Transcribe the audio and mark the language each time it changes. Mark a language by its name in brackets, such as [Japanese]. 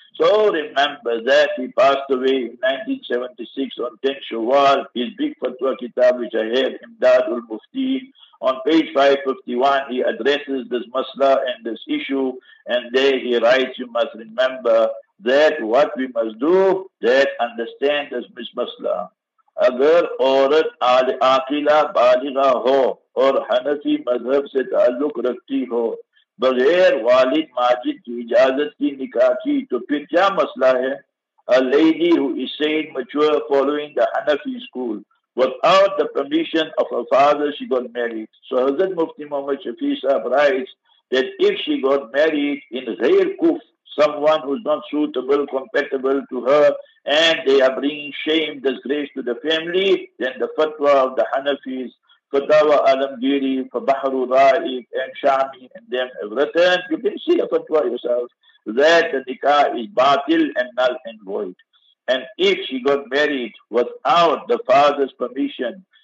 [English] So remember that he passed away in 1976 on 10 Shawwal. His big fatwa kitab, which I have, Imdad Ul Mufti, on page 551, he addresses this masla and this issue. And there he writes, you must remember that what we must do, that understand this masla. [Urdu] اگر عورت عاقلہ بالغہ ہو اور حنفی مذہب سے تعلق رکھتی ہو بغیر والد ماجد کی اجازت کی نکاح کی تو پھر کیا مسئلہ ہے؟ [English] A lady who is saying mature following the Hanafi school without the permission of her father, she got married. So Hazrat Mufti Muhammad Shafi Sahib writes that if she got married in غیر کف, someone who's not suitable, compatible to her, and they are bringing shame, disgrace to the family, then the fatwa of the Hanafis, Fatawa Alamgiri, Fabahru Ra'if, and Shami, and them have written, you can see a fatwa yourself, that the nikah is batil and null and void. And if she got married without the father's permission,